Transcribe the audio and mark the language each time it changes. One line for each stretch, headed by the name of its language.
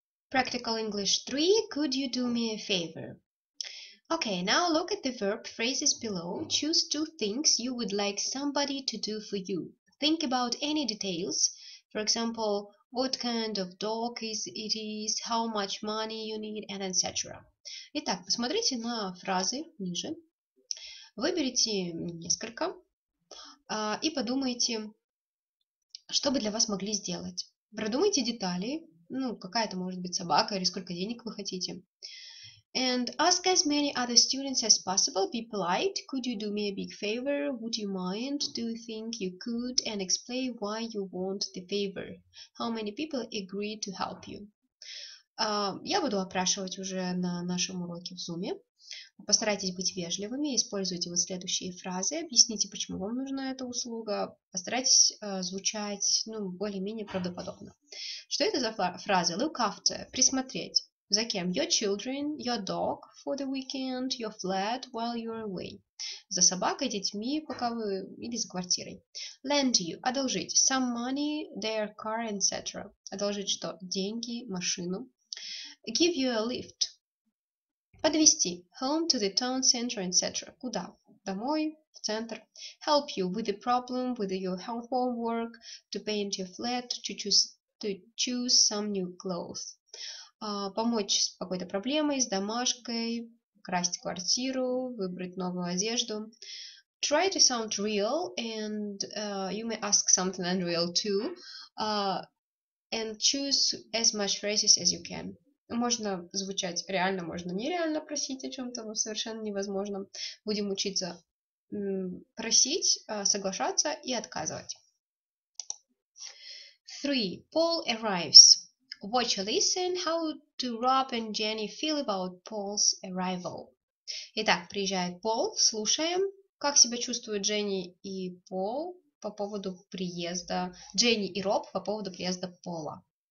English: Practical English 3, could you do me a favor? Okay, now look at the verb phrases below. Choose two things you would like somebody to do for you. Think about any details. For example, what kind of dog it is, how much money you need, and etc.
Russian: Итак, посмотрите на фразы ниже. Выберите несколько и подумайте, что бы для вас могли сделать. Продумайте детали, ну, какая это может быть собака или сколько денег вы хотите.
English: And ask as many other students as possible, be polite, could you do me a big favor, would you mind, do you think you could, and explain why you want the favor, how many people agree to help you.
Russian: Я буду опрашивать уже на нашем уроке в Zoom. Постарайтесь быть вежливыми, используйте вот следующие фразы, объясните, почему вам нужна эта услуга, постарайтесь звучать, ну, более-менее правдоподобно. Что это за фразы? Look after, присмотреть. За кем?
English: Your children, your dog for the weekend, your flat while you're away.
Russian: За собакой, детьми, пока вы... или за квартирой. Lend you, одолжить. Some money, their car, etc. Одолжить что?
English: Деньги, машину. Give you a lift. Подвести. Home to the town center, etc. Куда? Домой, в центр. Help you with the problem, with your homework, to paint your flat, to choose some new clothes.
Russian: Помочь с какой-то проблемой, с домашкой, красть квартиру, выбрать новую одежду.
English: Try to sound real, and you may ask something unreal too, and choose as much phrases as you can.
Russian: Можно звучать реально, можно нереально просить о чем-то, но совершенно невозможно. Будем учиться просить, соглашаться и отказывать.
English: 3. Paul arrives. Watch or listen, how do Rob and Jenny feel about Paul's arrival?
Russian: Итак, приезжает Пол, слушаем, как себя чувствуют Дженни и Пол по поводу приезда, Дженни и Роб по поводу приезда Пола.